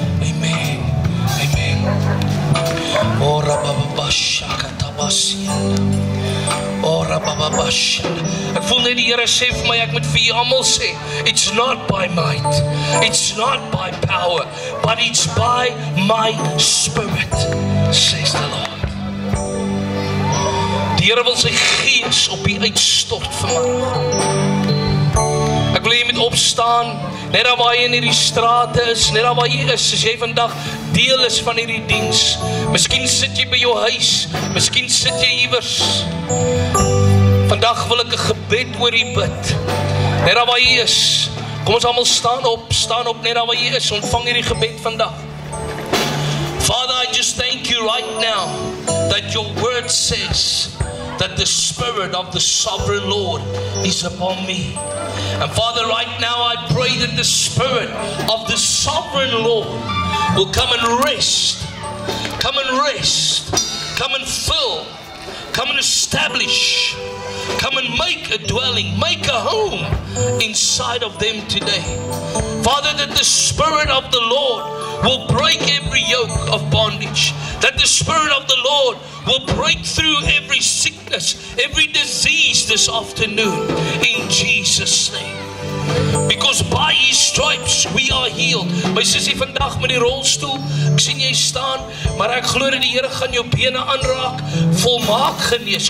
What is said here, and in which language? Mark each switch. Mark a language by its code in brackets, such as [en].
[af] Amen. Amen. Oh, Rababasha Katabasya. Oh, Rababasha. Ek voel net die Here sê vir my, ek moet vir julle almal sê, [en] it's not by might, it's not by power, but it's by my spirit, says the Lord. [af] Die Here wil sy gees op u uitstort vanmôre. Ek wil hê jy moet opstaan. Net daar waar jy in hierdie straat is, net daar waar jy is, as jy vandag deel is van hierdie diens. Miskien sit jy by jou huis, miskien sit jy iewers. Vandag wil ek 'n gebed oor u bid. Net daar waar jy is, kom ons almal staan op net daar waar jy is, ontvang hierdie gebed vandag. [en] Father, I just thank you right now that your word says that the spirit of the sovereign Lord is upon me. And Father, right now I pray that the spirit of the sovereign Lord will come and rest. Come and rest. Come and fill. Come and establish. Come and make a dwelling. Make a home inside of them today. Father, that the spirit of the Lord will break every yoke of bondage. That the spirit of the Lord will break through every sickness, every disease this afternoon, in Jesus' name. Because by his stripes we are healed. [af] My sussie vandag met die rolstoel, ek sien jy staan, maar ek glo dat die Here gaan jou bene aanraak, volmaak genees.